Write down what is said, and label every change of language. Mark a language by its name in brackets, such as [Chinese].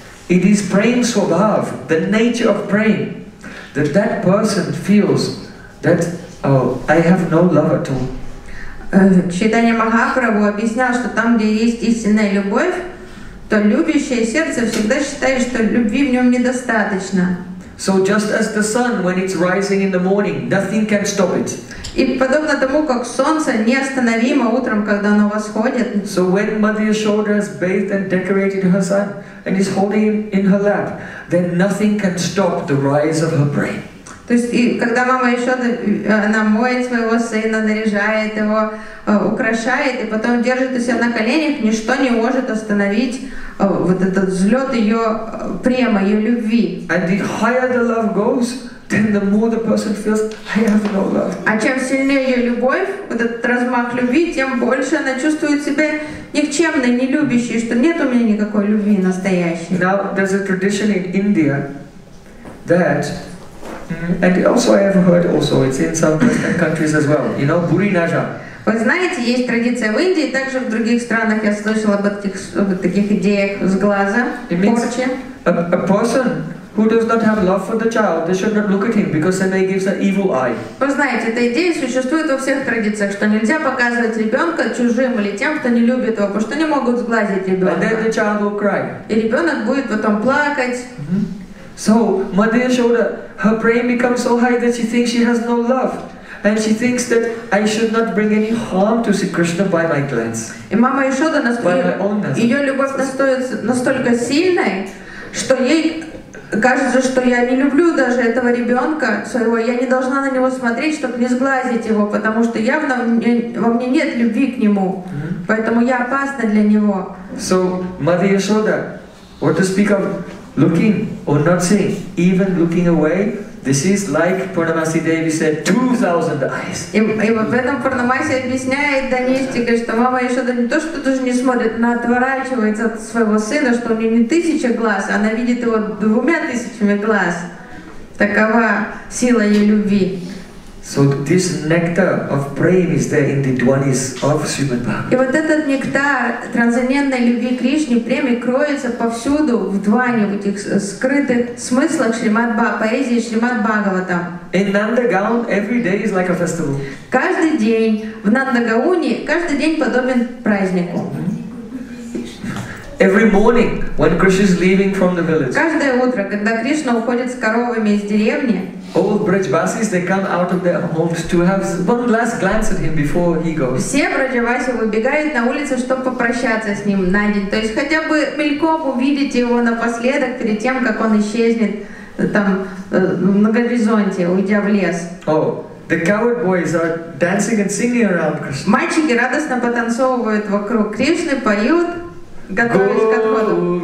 [English] It is Prem Swabhav, the nature of Prem, that that person feels that, oh, I have no love at all. [Russian] Chaitanya Mahaprabhu объяснял, что там, где есть истинная любовь, то любящее сердце всегда считает, что любви в нем недостаточно. [English] So just as the sun, when it's rising in the morning, nothing can stop it. [Russian] И подобно тому, как солнце неостановимо утром, когда оно восходит. [English] So when Mother Yashoda has bathed and decorated her son and is holding him in her lap, then nothing can stop the rise of her Prem. [Russian] То есть, и когда мама еще намоет своего сына, наряжает его, украшает, и потом держит у себя на коленях, ничто не может остановить вот этот взлет ее према, ее любви. [English] And the higher the love goes, then the more the person feels, I have no love. [Russian] А чем сильнее ее любовь, вот этот размах любви, тем больше она чувствует себя никчемной, нелюбящей, что нет у меня никакой любви настоящей. [English] Now, there's a tradition in India that and also I have heard also, it's in some Western countries as well, you know, Buri Naja. [Russian] Вы знаете, есть традиция в Индии, также в других странах я слышал об этих, таких идеях с глаза, порчи. [English] A person who does not have love for the child, they should not look at him, because then they give an evil eye. [Russian] Вы знаете, эта идея существует во всех традициях, что нельзя показывать ребенка чужим или тем, кто не любит его, потому что не могут сглазить ребенка. [English] And then the child will cry. [Russian] И ребенок будет потом плакать. [English] Mm-hmm. So, Mother Yashoda, her brain becomes so high that she thinks she has no love. And she thinks that I should not bring any harm to Sri Krishna by my glance. [Russian] И мама Яшода настолько, ее любовь настолько сильной, что ей кажется, что я не люблю даже этого ребенка своего, я не должна на него смотреть, чтобы не сглазить его, потому что явно во мне нет любви к нему, поэтому я опасна для него. [English] So, Mother Yashoda, what to speak of? Looking or not seeing, even looking away, this is like Purnamasi Devi said, 2,000 eyes. [Russian] И в этом Пурнамаси объясняет Данистика, что мама еще не то, что даже не смотрит, она отворачивается от своего сына, что у нее не тысяча глаз, она видит его двумя тысячами глаз. Такова сила ее любви. [English] So this nectar of Prem is there in the dvanis of Srimad Bhagavatam. [Russian] И вот этот нектар трансцендентной любви Кришне, Преме, кроется повсюду в дване, в этих скрытых смыслах Шримад Бхагаватам, поэзии Шримад Бхагаватам. [English] In Нандагаун every day is like a festival. [Russian] Каждый день в Нандагауне, каждый день подобен празднику. [English] Every morning when Krishna is leaving from the village. [Russian] Каждое утро, когда Кришна уходит с коровами из деревни, [English] all Brajvasis, they come out of their homes to have one last glance at him before he goes. [Russian] Все Брадживаси выбегают на улицу, чтобы попрощаться с ним на день. То есть хотя бы мельком увидеть его напоследок, перед тем, как он исчезнет там на горизонте, уйдя в лес. [English] Oh, the coward boys are dancing and singing around Krishna. [Russian] Мальчики радостно потанцовывают вокруг Кришны, поют, готовясь к отходу.